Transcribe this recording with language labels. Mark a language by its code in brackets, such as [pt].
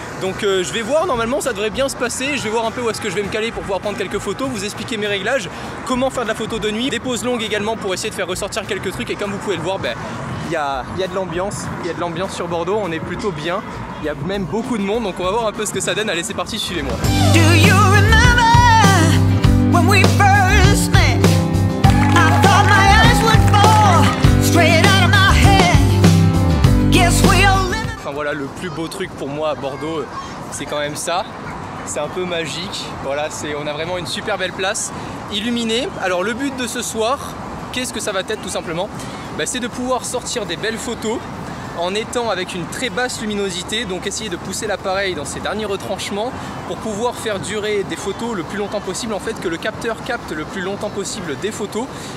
[fr] Donc je vais voir, normalement ça devrait bien se passer. Je vais voir un peu où est-ce que je vais me caler pour pouvoir prendre quelques photos, vous expliquer mes réglages, comment faire de la photo de nuit, des poses longues également pour essayer de faire ressortir quelques trucs. Et comme vous pouvez le voir, ben, y a de l'ambiance, il y a de l'ambiance sur Bordeaux, on est plutôt bien, il y a même beaucoup de monde, donc on va voir un peu ce que ça donne. Allez c'est parti, suivez-moi. [en] Do you remember when we first met? I thought my eyes would fall straight out of my head. Guess we all live. [fr] Enfin voilà, le plus beau truc pour moi à Bordeaux, c'est quand même ça. C'est un peu magique. Voilà, on a vraiment une super belle place illuminée. Alors le but de ce soir, qu'est-ce que ça va être tout simplement? Bah, c'est de pouvoir sortir des belles photos en étant avec une très basse luminosité, donc essayer de pousser l'appareil dans ses derniers retranchements pour pouvoir faire durer des photos le plus longtemps possible, en fait que le capteur capte le plus longtemps possible des photos.